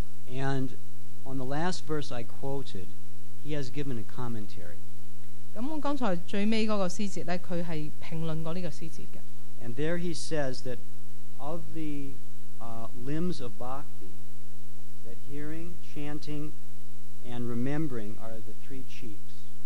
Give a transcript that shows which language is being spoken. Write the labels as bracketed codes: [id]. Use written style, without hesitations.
[en] And on the last verse I quoted, he has given a commentary. [yue] 咁我剛才最尾嗰個詩節咧，佢係評論過呢個詩節嘅。 [en] And there he says that of the limbs of bhakti, that hearing, chanting, and remembering are the three chiefs.